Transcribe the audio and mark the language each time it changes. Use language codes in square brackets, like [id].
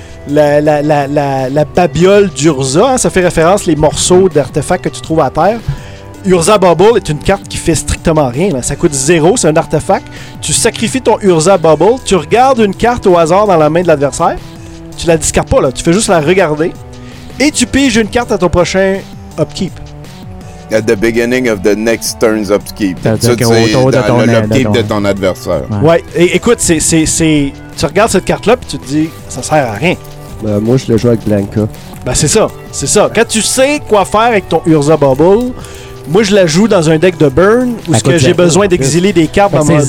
[fr] La babiole d'Urza. Hein, ça fait référence les morceaux d'artefacts que tu trouves à terre. Urza Bubble est une carte qui fait strictement rien. Là. Ça coûte zéro, c'est un artefact. Tu sacrifies ton Urza Bubble, tu regardes une carte au hasard dans la main de l'adversaire. Tu la discardes pas, là. Tu fais juste la regarder. Et tu piges une carte à ton prochain upkeep. [en] At the beginning of the next turn's upkeep. [fr] C'est l'upkeep de ton adversaire. Ouais. Et écoute, c'est tu regardes cette carte-là et tu te dis, ça sert à rien. Moi, je le joue avec Blanka. Ben, c'est ça. Quand tu sais quoi faire avec ton Urza Bubble... Moi, je la joue dans un deck de burn où ce que j'ai besoin d'exiler des cartes dans mon graveyard.